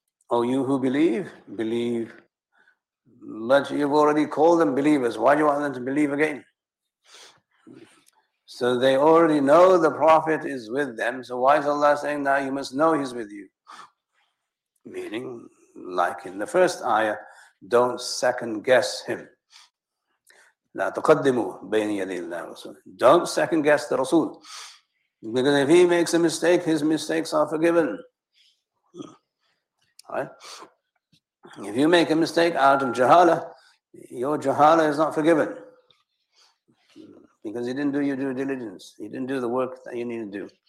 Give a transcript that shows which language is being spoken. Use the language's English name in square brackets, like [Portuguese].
[English] O you who believe, believe. But you've already called them believers. Why do you want them to believe again? So they already know the Prophet is with them. So why is Allah saying now you must know he's with you? Meaning, like in the first ayah, don't second guess him. [Arabic] لا تقدموا بين يدي الله رسول. [English] Don't second guess the Rasul. Because if he makes a mistake, his mistakes are forgiven. Right? If you make a mistake out of jahala, your jahala is not forgiven. Because you didn't do your due diligence. You didn't do the work that you need to do.